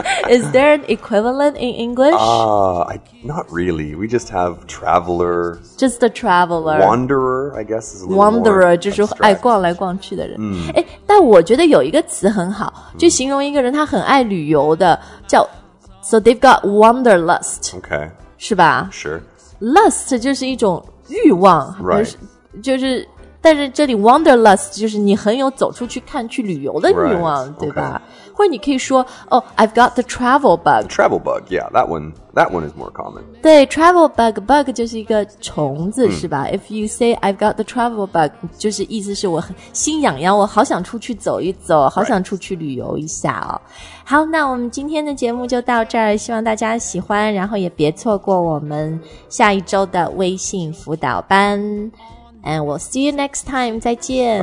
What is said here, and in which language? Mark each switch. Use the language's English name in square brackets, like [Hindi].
[English] Is there an equivalent in English? Not really. We just have traveler. Just a traveler. Wanderer, I guess, is a little more [Chinese] Wanderer, 就是爱逛来逛去的人。但我觉得有一个词很好，就形容一个人他很爱旅游的，叫 [English] So they've got wanderlust. Okay. [Chinese] 是吧？ [English] Sure. [Chinese] Lust 就是一种欲望。 [English] Right. [Chinese] 就是但是这里 wanderlust 就是你很有走出去看去旅游的欲望、 [English] right. [Chinese] 对吧、 [English] okay. [Chinese] 或者你可以说 [English] Oh, I've got the travel bug. The travel bug, yeah, that one is more common. [Chinese] 对 travel bug, bug 就是一个虫子、是吧 [English] If you say I've got the travel bug, [Chinese] 就是意思是我很心痒痒，我好想出去走一走，好想出去旅游一下哦。 [English] Right. [Chinese] 好，那我们今天的节目就到这儿，希望大家喜欢，然后也别错过我们下一周的微信辅导班。 [English] And we'll see you next time. [Chinese] 再见。